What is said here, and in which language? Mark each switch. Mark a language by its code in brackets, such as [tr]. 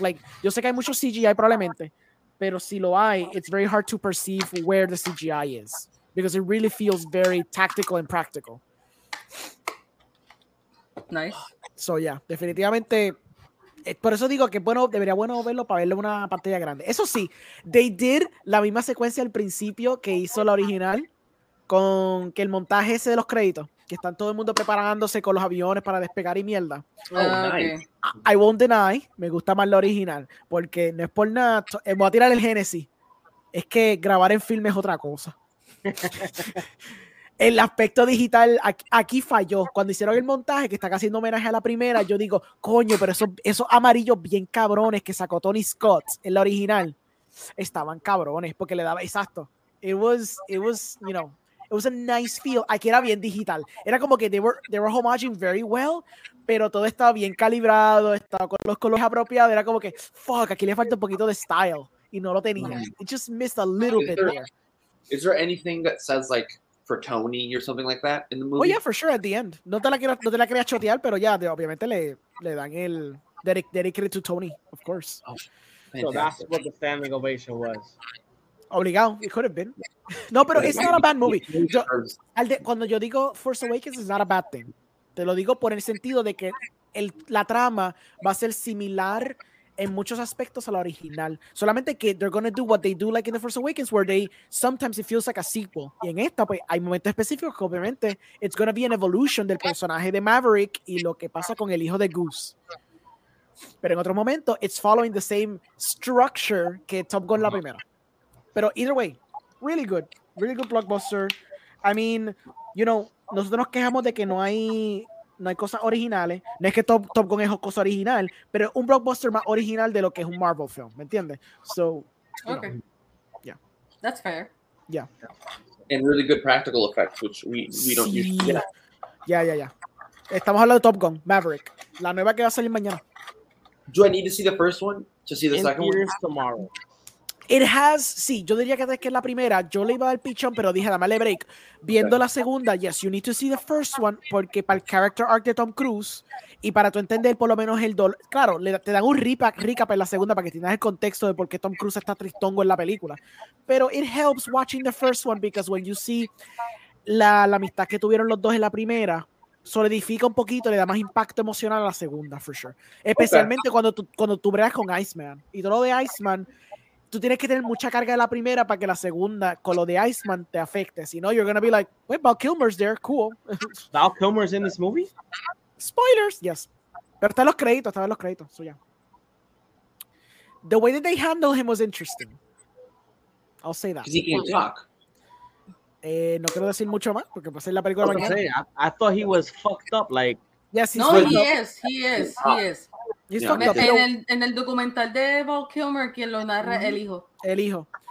[en] Like, [es] yo sé que hay mucho CGI probablemente, pero si lo hay, [en] it's very hard to perceive where the CGI is because it really feels very tactical and practical. Nice. [es] So yeah, definitivamente, por eso digo que bueno, debería bueno verlo para verlo en una pantalla grande. Eso sí, [en] they did [es] la misma secuencia al principio que hizo la original con que el montaje ese de los créditos, que están todo el mundo preparándose con los aviones para despegar y mierda. [en] Okay. I won't deny, [es] me gusta más la original, porque no es por nada, voy a tirar el Génesis, es que grabar en film es otra cosa. el aspecto digital aquí falló. Cuando hicieron el montaje, que están haciendo homenaje a la primera, yo digo, coño, pero esos amarillos bien cabrones que sacó Tony Scott en la original, estaban cabrones, porque le daba, exacto. [en] It was, you know, it was a nice feel. [es] Aquí era bien digital. Era como que [en] they were homaging very well, [es] pero todo estaba bien calibrado, estaba con los colores apropiados. Era como que, fuck, aquí le falta un poquito de style. Y no lo tenía. [en] It just missed a little bit there. Is there anything that says, like, for Tony or something like that in the movie? Oh, yeah, for sure, at the end. [es] No te la quería chotear, pero ya, obviamente le dan el [en] dedicated to Tony, of course. Oh, so that's what the standing ovation was. Obligado. It could have been. [es] No, pero [en] it's not a bad movie. [es] Cuando yo digo [en] Force Awakens, it's not a bad thing. [es] Te lo digo por el sentido de que la trama va a ser similar en muchos aspectos a la original. Solamente que [en] they're going to do what they do like in The Force Awakens, where they sometimes it feels like a sequel. [es] Y en esta, pues, hay momentos específicos que obviamente [en] it's going to be an evolution [es] del personaje de Maverick y lo que pasa con el hijo de Goose. Pero en otro momento, [en] it's following the same structure [es] que Top Gun la primera. [en] Pero either way, really good. Really good blockbuster. I mean, you know, [es] nosotros nos quejamos de que no hay cosas originales. No es que Top Gun es cosa original, pero un blockbuster más original de lo que es un Marvel film, ¿me entiendes? [en] So, okay. Know, yeah. That's fair. Yeah. And really good practical effects, which we don't use. [es] Yeah. Estamos hablando de Top Gun, Maverick. La nueva que va a salir mañana. [en] Do I need to see the first one to see the in second one? Tomorrow. It has, [es] sí, yo diría que es la primera. Yo le iba al pichón, pero dije, dame break. Viendo la segunda, [en] yes, you need to see the first one, [es] porque para el character arc de Tom Cruise, y para tú entender por lo menos el dolor, claro, te dan un recap en la segunda para que tengas el contexto de por qué Tom Cruise está tristongo en la película. Pero [en] it helps watching the first one because when you see [es] la amistad que tuvieron los dos en la primera, solidifica un poquito, le da más impacto emocional a la segunda, [en] for sure. [es] Especialmente cuando tú bregas con Iceman. Y todo lo de Iceman, tú tienes que tener mucha carga de la primera para que la segunda con lo de Iceman te afecte. Si no, [en] you're going to be like, wait, Val Kilmer's there. Cool. Val Kilmer's in this movie? Spoilers, yes. [es] Pero está en los créditos, está en los créditos. [en] So, yeah. The way that they handled him was interesting. I'll say that. Because he can't talk. [es] No quiero decir mucho más porque va a ser la película mañana. [en] I thought he was fucked up. Like, yes, he's no, he up. Is. He is. Yeah. [es] En el documental de Val Kilmer, quien lo narra, el hijo.